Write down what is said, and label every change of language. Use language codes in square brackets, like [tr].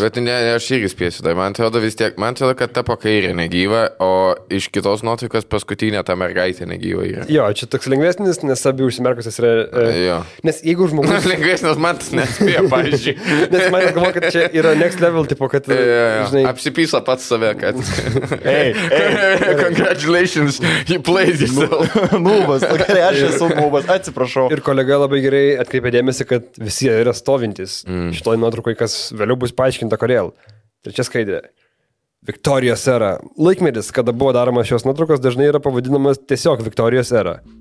[lt] Bet ne, aš irgi spėsiu, tai man atrodo vis tiek, man atrodo, kad ta po kairė negyva, o iš kitos nuotraukos paskutinė ta mergaitė negyva yra. Jo, čia toks lengvesnis, nes abi užsimerkusias yra... Jo. Nes jeigu žmogus... Nes lengvesnis man tas nespėjo, pavyzdžiui. Nes man atrodo, kad čia yra [en] next level, [lt] tipo, kad... Jo, žinai... Apsipysa pats save, kad... [en] congratulations, he plays himself. [lt] Nubas, gerai, aš esu nubas, atsiprašau. Ir kolega labai gerai atkreipė dėmesį, kad visi yra stovintis. Nuotraukai, kas vėliau bus paaiškinta, kodėl. Trečia skaidrė. Viktorijos era. Laikmetis, kada buvo daromas šios nuotraukos, dažnai yra pavadinamas tiesiog Viktorijos era.